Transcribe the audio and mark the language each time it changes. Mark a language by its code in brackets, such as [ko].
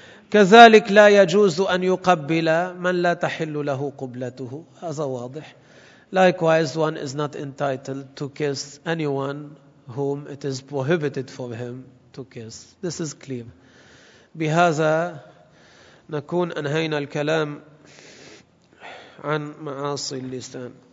[ar] كذلك لا يجوز أن يقبل من لا تحل له قبلته. هذا واضح. [en] Likewise, one is not entitled to kiss anyone whom it is prohibited for him to kiss. This is clear. [ar] بهذا نكون أنهينا الكلام عن معاصي اللسان.